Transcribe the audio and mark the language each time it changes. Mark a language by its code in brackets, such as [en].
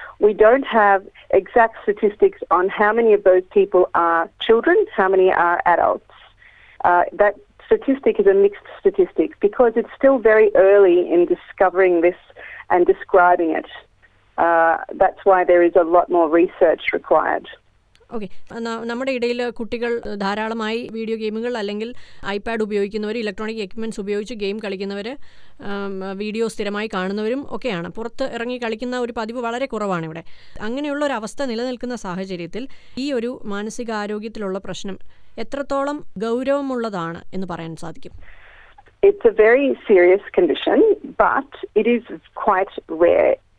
[en] We don't have exact statistics on how many of those people are children, how many are adults. That statistic is a mixed statistic because it's still very early in discovering this and describing it. That's why there is a lot more research required. [ml] Okay, നമ്മുടെ ഇടയിൽ കുട്ടികൾ ധാരാളമായി video ഗെയിമുകൾ അല്ലെങ്കിൽ iPad ഉപയോഗിക്കുന്നവർ, electronic equipments ഉപയോഗിച്ച് game കളിക്കുന്നവർ, video സ്ഥിരമായി കാണുന്നവരും ഒക്കെയാണ്. പുറത്ത് ഇറങ്ങി കളിക്കുന്ന ഒരു പതിവ് വളരെ കുറവാണ് ഇവിടെ. അങ്ങനെയുള്ള ഒരു അവസ്ഥ നിലനിൽക്കുന്ന സാഹചര്യത്തിൽ ഈ ഒരു മാനസികാരോഗ്യത്തിലുള്ള പ്രശ്നം എത്രത്തോളം ഗൗരവമുള്ളതാണ് എന്ന് പറയാൻ സാധിക്കും? [en] It's a very serious condition, but it is quite rare.